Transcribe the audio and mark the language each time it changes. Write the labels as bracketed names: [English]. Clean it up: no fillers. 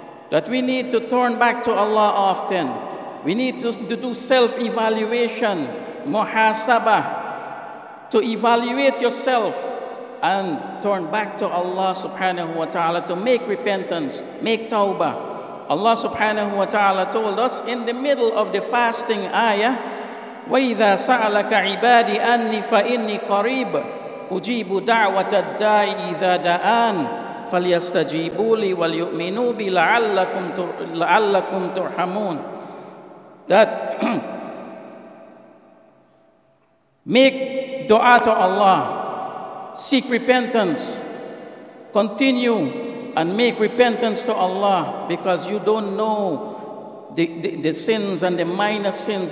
[English] That we need to turn back to Allah often. We need to do self-evaluation, muhasabah, to evaluate yourself and turn back to Allah subhanahu wa ta'ala to make repentance, make tawbah. Allah subhanahu wa ta'ala told us in the middle of the fasting ayah, [Arabic] وَإِذَا سَأَلَكَ عِبَادِي أَنِّي فَإِنِّي قَرِيبٌ أُجِيبُ دَعْوَةَ الدَّاعِ إِذَا دَآنَ فَلْيَسْتَجِيبُوا لِي وَلْيُؤْمِنُوا بِي لَعَلَّكُمْ تُرْحَمُونَ. [English] That make dua to Allah, seek repentance, continue and make repentance to Allah, because you don't know the sins and the minor sins.